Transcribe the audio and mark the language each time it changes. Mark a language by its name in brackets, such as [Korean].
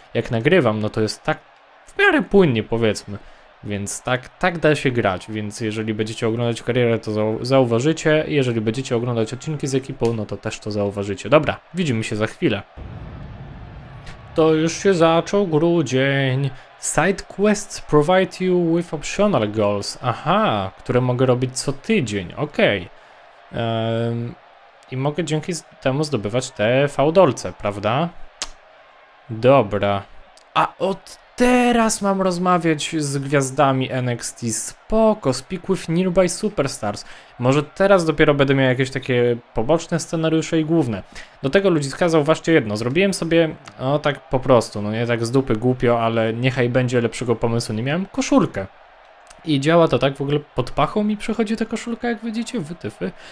[Polish] Jak nagrywam, no to jest tak w miarę płynnie, powiedzmy. Więc tak da się grać. Więc jeżeli będziecie oglądać karierę, to zauważycie. Jeżeli będziecie oglądać odcinki z ekipą, no to też to zauważycie. Dobra, widzimy się za chwilę. To już się zaczął grudzień. [English] Side quests provide you with optional goals. [Polish] Aha, które mogę robić co tydzień. Okej. I mogę dzięki temu zdobywać te V-dolce, prawda? Dobra. A od teraz mam rozmawiać z gwiazdami NXT. Spoko, [English] speak with nearby superstars. [Polish] Może teraz dopiero będę miał jakieś takie poboczne scenariusze i główne. Do tego ludziska zauważcie jedno. Zrobiłem sobie, no tak po prostu, no nie tak z dupy głupio, ale niechaj będzie lepszego pomysłu. Nie miałem koszulkę. I działa to tak, w ogóle pod pachą mi przechodzi ta koszulka, jak widzicie, wytyfy.